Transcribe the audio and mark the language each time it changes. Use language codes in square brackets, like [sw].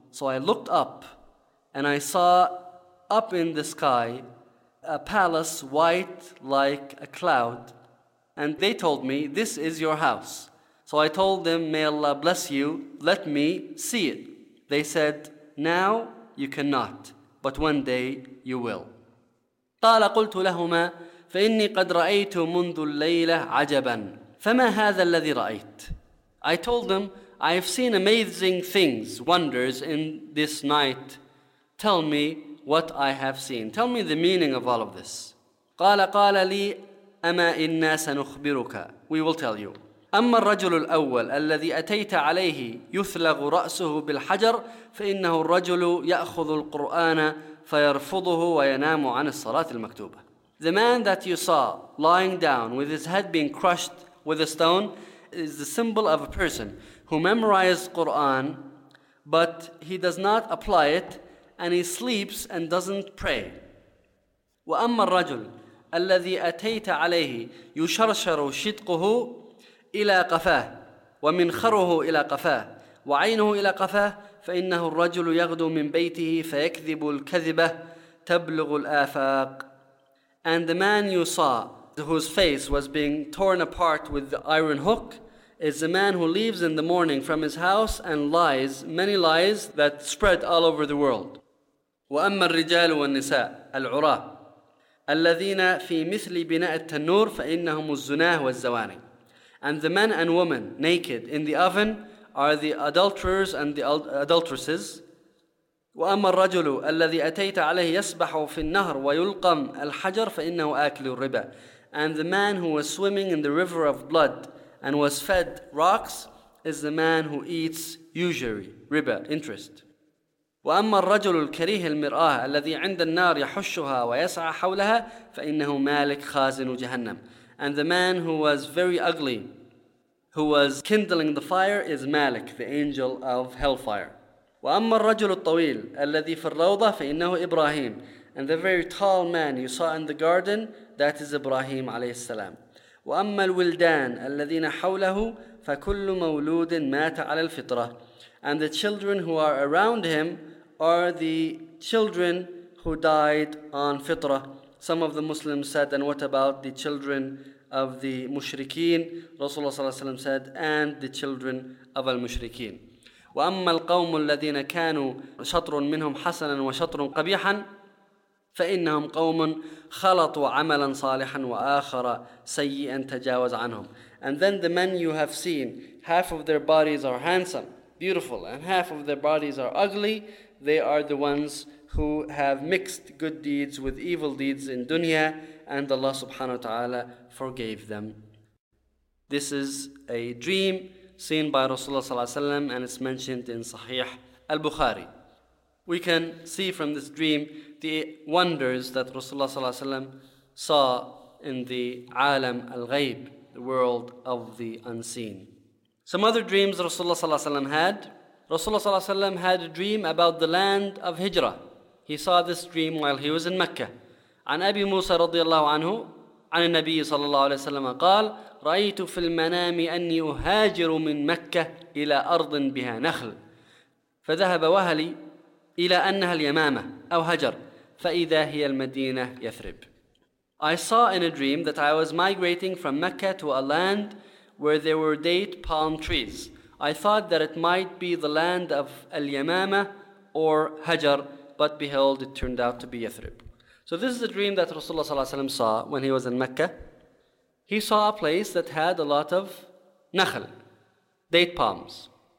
[en] So I looked up, and I saw up in the sky a palace white like a cloud. And they told me, this is your house. So I told them, may Allah bless you, let me see it. They said, now you cannot, but one day you will. [ar] قال قلت لهما فإني قد رأيت منذ الليلة عجبا فما هذا الذي رأيت. [en] I told them, I've seen amazing things, wonders in this night. Tell me what I have seen. Tell me the meaning of all of this. [ar] قال لي أما إنا سنخبرك. [en] We will tell you. [ar] أما الرجل الأول الذي أتيت عليه يثلغ رأسه بالحجر فإنه الرجل يأخذ القرآن فيرفضه وينام عن الصلاة المكتوبة. [en] The man that you saw lying down with his head being crushed with a stone is the symbol of a person who memorized Quran, but he does not apply it and he sleeps and doesn't pray. [ar] وأما الرجل الذي أتيت عليه يشرشر شدقه إلى قفاه ومنخره إلى قفاه وعينه إلى قفاه فإنه الرجل يغدو من بيته فيكذب الكذبة تبلغ الآفاق. [en] And the man you saw whose face was being torn apart with the iron hook is the man who leaves in the morning from his house and lies, many lies that spread all over the world. [ar] وأما الرجال والنساء العراة الذين في مثل بناء التنور فإنهم الزناة والزواني. [en] And the men and women naked in the oven are the adulterers and the adulteresses. [ar] وأما الرجل الذي أتيت عليه يسبح في النهر ويلقم الحجر فإنه آكل الربا. [en] And the man who was swimming in the river of blood and was fed rocks is the man who eats usury, riba, interest. [ar] وأما الرجل الكريه المرآة الذي عند النار يحشها ويسعى حولها فإنه مالك خازن جهنم. [en] And the man who was very ugly, who was kindling the fire is Malik, the angel of hellfire. [ar] وأما الرجل الطويل الذي في الروضة فإنه إبراهيم. [en] And the very tall man you saw in the garden, that is Ibrahim عليه السلام. [ar] وأما الولدان الذين حوله فكل مولود مات على الفطرة. [en] And the children who are around him are the children who died on fitrah. Some of the Muslims said, and what about the children of the mushrikeen? Rasulullah صلى الله عليه وسلم said, and the children of al-mushrikeen. [ar] وأما القوم الذين كانوا شطر منهم حسنا وشطر قبيحا فإنهم قوم خلطوا عملا صالحا وآخر سيئا تجاوز عنهم. [en] And then the men you have seen, half of their bodies are handsome, beautiful, and half of their bodies are ugly. They are the ones who have mixed good deeds with evil deeds in dunya, and Allah subhanahu wa ta'ala forgave them. This is a dream seen by Rasulullah sallallahu alayhi wa sallam, and it's mentioned in Sahih al-Bukhari. We can see from this dream the wonders that Rasulullah sallallahu alayhi wa sallam saw in the alam al-ghayb, the world of the unseen. Some other dreams Rasulullah sallallahu alayhi wa sallam had. Rasulullah sallallahu alayhi wa sallam had a dream about the land of Hijrah. He saw this dream while he was in Mecca. [ar] عن أبي موسى رضي الله عنه عن النبي صلى الله عليه وسلم قال رأيت في المنام أني أهاجر من مكة إلى أرض بها نخل فذهب وهلي إلى أنها اليمامة أو هجر فإذا هي المدينة يثرب. [en] I saw in a dream that I was migrating from Mecca to a land where there were date palm trees. I thought that it might be the land of اليمامة or هجر, but behold, it turned out to be Yathrib. So this is a dream that Rasulullah sallallahu alayhi wa sallam saw when he was in Mecca. He saw a place that had a lot of nakhl, date palms.